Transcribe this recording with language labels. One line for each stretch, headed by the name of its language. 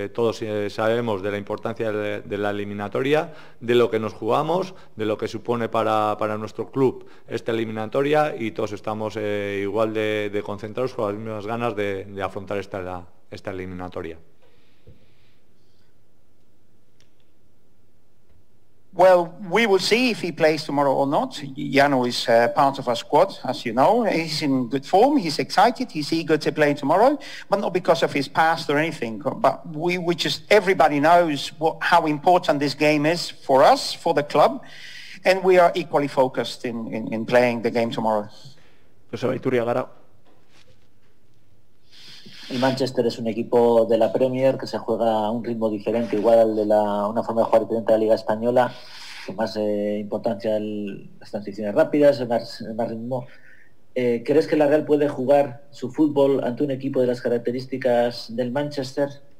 Spanish: Todos sabemos de la importancia de la eliminatoria, de lo que nos jugamos, de lo que supone para nuestro club esta eliminatoria, y todos estamos igual de concentrados, con las mismas ganas de afrontar esta eliminatoria.
English: Well, we will see if he plays tomorrow or not. Janu is part of our squad, as you know. He's in good form. He's excited. He's eager to play tomorrow, but not because of his past or anything. But we just, everybody knows how important this game is for us, for the club, and we are equally focused in playing the game tomorrow.
Spanish: José Baiturri, Agara. El Manchester es un equipo de la Premier que se juega a un ritmo diferente, igual al de una forma de jugar diferente a la Liga Española, con más importancia las transiciones rápidas, más ritmo. ¿Crees que la Real puede jugar su fútbol ante un equipo de las características del Manchester?